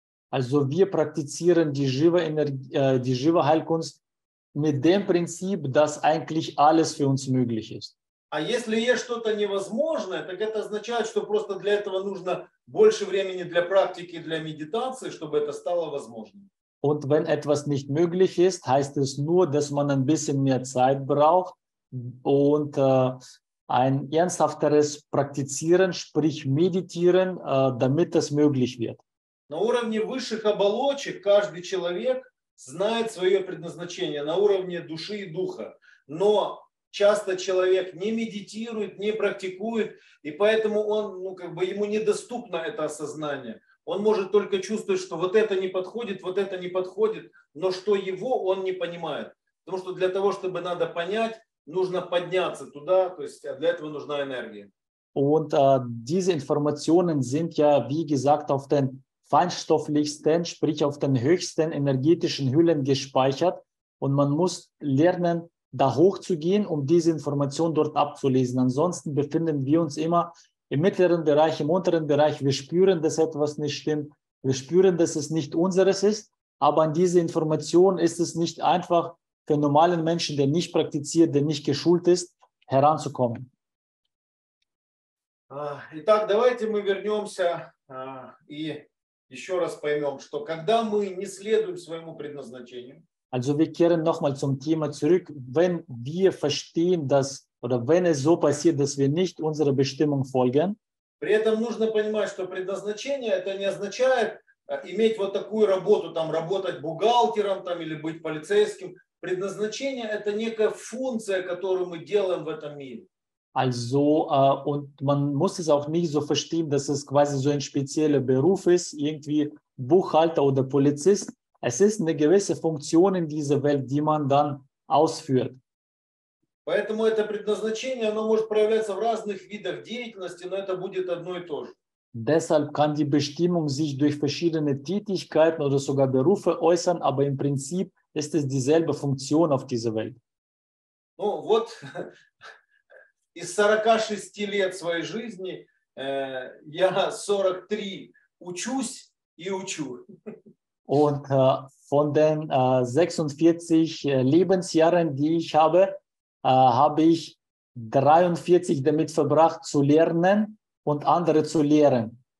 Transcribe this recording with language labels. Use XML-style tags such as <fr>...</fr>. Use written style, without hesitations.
<de>Also wir praktizieren die Jiva-Heilkunst mit dem Prinzip, dass eigentlich alles für uns möglich ist.</de> <ru>А если есть что-то невозможное, так это означает, что просто для этого нужно больше времени для практики, для медитации, чтобы это стало возможным.</ru> <de>Und wenn etwas nicht möglich ist, heißt es nur, dass man ein bisschen mehr Zeit braucht und ein ernsthafteres Praktizieren, sprich Meditieren, damit das möglich wird.</de> <ru>На уровне высших оболочек каждый человек знает свое предназначение на уровне души и духа. Но часто человек не медитирует, не практикует, и поэтому он, ну, как бы ему недоступно это осознание. Он может только чувствовать, что вот это не подходит, вот это не подходит, но что его, он не понимает. Потому что для того, чтобы надо понять, нужно подняться туда, то есть для этого нужна энергия.</ru> <de>Und diese Informationen sind ja, wie gesagt, auf den feinstofflichsten, sprich auf den höchsten energetischen Hüllen gespeichert. Und man muss lernen, da hochzugehen, um diese Information dort abzulesen. Ansonsten befinden wir uns immer im mittleren Bereich, im unteren Bereich, wir spüren, dass etwas nicht stimmt, wir spüren, dass es nicht unseres ist, aber an diese Information ist es nicht einfach für normalen Menschen, der nicht praktiziert, der nicht geschult ist, heranzukommen.</de> <ru>Итак, давайте мы вернемся и еще раз поймем, что когда мы не следуем своему предназначению.</ru> <de>Also wir kehren nochmal zum Thema zurück, wenn wir verstehen, dass oder wenn es so passiert, dass wir nicht unserer Bestimmung folgen.</de> <ru>При этом нужно понимать, что предназначение это не означает иметь вот такую работу, там работать бухгалтером там или быть полицейским. Предназначение это некая функция, которую мы делаем в этом мире.</ru> <de>Also und man muss es auch nicht so verstehen, dass es quasi so ein spezieller Beruf ist, irgendwie Buchhalter oder Polizist. Es ist eine gewisse Funktion in dieser Welt, die man dann ausführt.</de> <ru>Поэтому это предназначение, оно может проявляться в разных видах деятельности, но это будет одно и то же.</ru> <de>Deshalb kann die Bestimmung sich durch verschiedene Tätigkeiten oder sogar Berufe äußern, aber im Prinzip ist es dieselbe Funktion auf dieser Welt.</de> <ru>Ну вот, из 46 лет своей жизни я 43 учусь и учу.</ru> <de>Und von den 46 Lebensjahren, die ich habe, habe ich 43 damit verbracht, zu lernen und andere zu lehren.</de>